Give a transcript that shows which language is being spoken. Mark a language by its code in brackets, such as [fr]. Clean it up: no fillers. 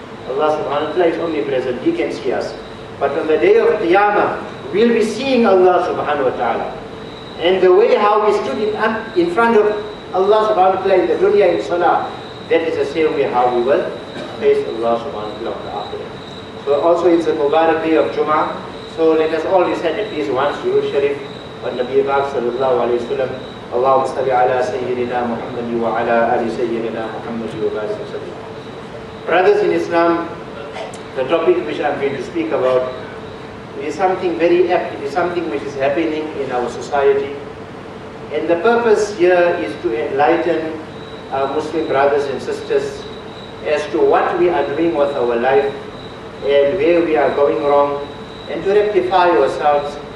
[en] Allah subhanahu wa ta'ala is omnipresent. He can see us. But on the day of Qiyamah, we'll be seeing Allah subhanahu wa ta'ala. And the way how we stood in front of Allah subhanahu wa ta'ala in the dunya in salah, that is the same way how we will face Allah subhanahu wa ta'ala after that. So also it's a Mubarak day of Jummah. So let us all recite at least once, Durood Sharif. [ar] النبي باكر صلى الله عليه وسلم اللهم صل على سيدنا محمد وعلى آل سيدنا محمد وبارك وسلم. [en] Brothers in Islam, the topic which I'm going to speak about is something very apt. It is something which is happening in our society, and the purpose here is to enlighten our Muslim brothers and sisters as to what we are doing with our life and where we are going wrong, and to rectify ourselves.